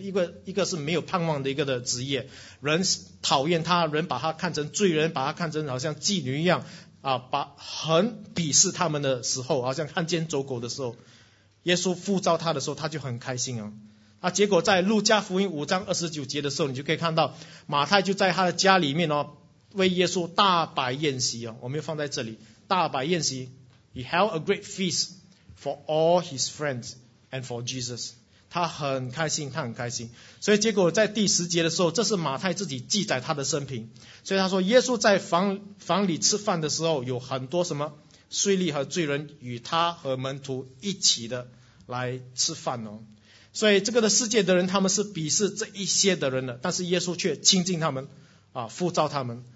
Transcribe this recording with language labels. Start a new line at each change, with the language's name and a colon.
Chinese: 一个是没有盼望的一个的职业，人讨厌他，人把他看成罪人，把他看成好像妓女一样很鄙视他们的时候，好像汉奸走狗的时候，耶稣呼召他的时候，他就很开心结果在路加福音5:29的时候，你就可以看到马太就在他的家里面为耶稣大摆宴席我们又放在这里大摆宴席。
English: He held a great feast for all his friends and for Jesus.
Chinese: 他很开心，他很开心。所以结果在10的时候，这是马太自己记载他的生平。所以他说，耶稣在房里吃饭的时候，有很多什么税吏和罪人与他和门徒一起的来吃饭所以这个的世界的人，他们是鄙视这一些的人的，但是耶稣却亲近他们呼召他们。